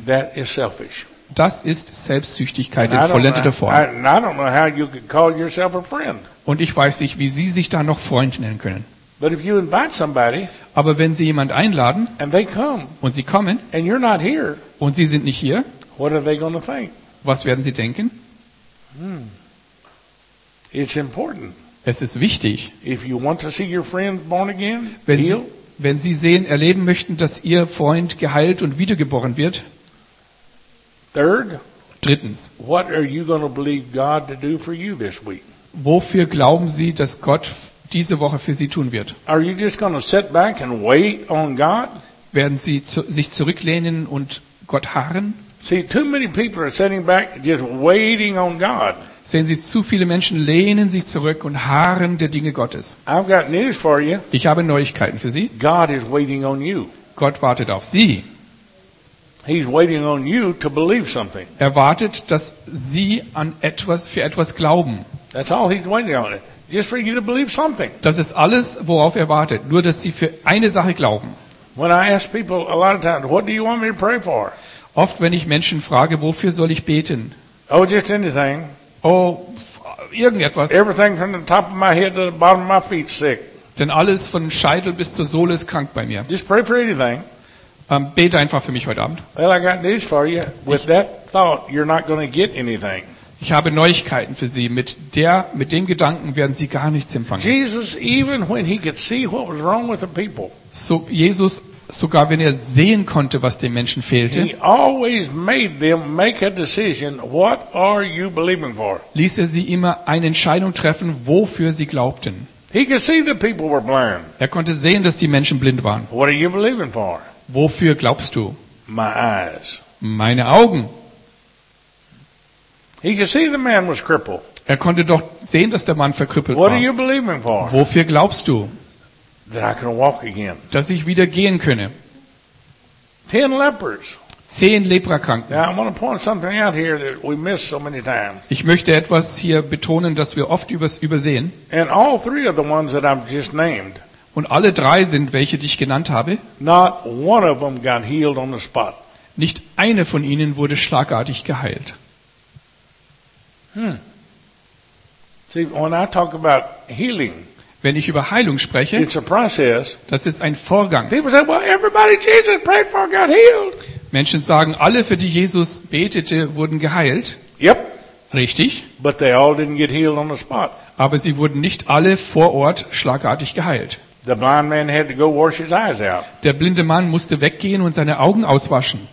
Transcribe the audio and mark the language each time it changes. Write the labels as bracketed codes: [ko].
[en] That is selfish. [de] Das ist Selbstsüchtigkeit in vollendeter Form. [en] I don't know how you could call yourself a friend. [de] Und ich weiß nicht, wie Sie sich da noch Freund nennen können. [en] But if you invite somebody, [de] aber wenn Sie jemand einladen [en] and they come, [de] und sie kommen [en] and you're not here, [de] und sie sind nicht hier, [en] what are they gonna think? [de] Was werden sie denken? [en] It's important. [de] Es ist wichtig. [en] If you want to see your friend born again, [de] wenn Sie sehen, erleben möchten, dass Ihr Freund geheilt und wiedergeboren wird, drittens, wofür glauben Sie, dass Gott diese Woche für Sie tun wird? Werden Sie sich zurücklehnen und Gott harren? Sehen Sie, zu viele Menschen lehnen sich zurück und harren der Dinge Gottes. Ich habe Neuigkeiten für Sie. Gott wartet auf Sie. [en] He's waiting on you to believe something. [de] Er wartet, dass Sie an etwas für etwas glauben. [en] That's all he's waiting on. Just for you to believe something. [de] Das ist alles, worauf er wartet, nur dass Sie für eine Sache glauben. [en] When I ask people a lot of times, what do you want me to pray for? [de] Oft wenn ich Menschen frage, wofür soll ich beten? [en] Oh, just anything. [de] Oh, irgendetwas. [en] Everything from the top of my head to the bottom of my feet sick. [de] Denn alles von Scheitel bis zur Sohle ist krank bei mir. [en] Just pray for anything. [de] Bete einfach für mich heute Abend. [en] Well, I got news for you. With that thought, you're not going to get anything. [de] Ich habe Neuigkeiten für Sie. Mit dem Gedanken werden Sie gar nichts empfangen. [en] Jesus, even when he could see what was wrong with the people. [de] So Jesus, sogar wenn er sehen konnte, was den Menschen fehlte, [en] he always made them make a decision. What are you believing for? [de] Ließ er sie immer eine Entscheidung treffen, wofür sie glaubten. [en] He could see the people were blind. [de] Er konnte sehen, dass die Menschen blind waren. [en] What are you believing for? [de] Wofür glaubst du? [en] My eyes. [de] Meine Augen. [en] He could see the man was crippled. [de] Er konnte doch sehen, dass der Mann verkrüppelt [en] what Are you believing for? [de] Wofür glaubst du? [en] That I can walk again. [de] Dass ich wieder gehen könne. [en] 10 lepers. [de] 10 Leprakranken. [en] Now I want to point something out here that we miss so many times. [de] Ich möchte etwas hier betonen, das wir oft übersehen. [en] And all three of the ones that I've just named. [de] Und alle drei sind welche, die ich genannt habe. [en] Not one of them got healed on the spot. [de] Nicht eine von ihnen wurde schlagartig geheilt. [en] See, when I talk about healing, [de] wenn ich über Heilung spreche, [en] it's a process, [de] das ist ein Vorgang. [en] People say, well, everybody Jesus prayed for got healed. [de] Menschen sagen, alle, für die Jesus betete, wurden geheilt. [en] Yep. [de] Richtig. [en] But they all didn't get healed on the spot. [de] Aber sie wurden nicht alle vor Ort schlagartig geheilt. [en] The blind man had to go wash his eyes out. [de] Der blinde Mann musste weggehen und seine Augen auswaschen.